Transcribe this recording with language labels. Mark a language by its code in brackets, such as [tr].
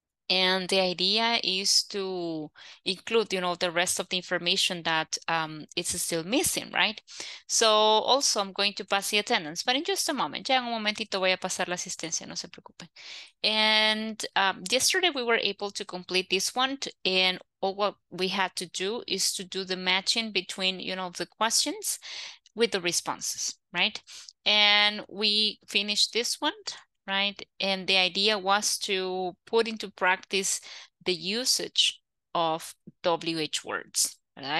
[en] And the idea is to include, you know, the rest of the information that it's still missing, right? So also I'm going to pass the attendance, but in just a moment. [es] Ya en un momentito voy a pasar la asistencia, no se preocupen. [en] And yesterday we were able to complete this one, and all what we had to do is to do the matching between, you know, the questions with the responses, right? And we finished this one. Right, and the idea was to put into practice the usage of WH words, ¿verdad?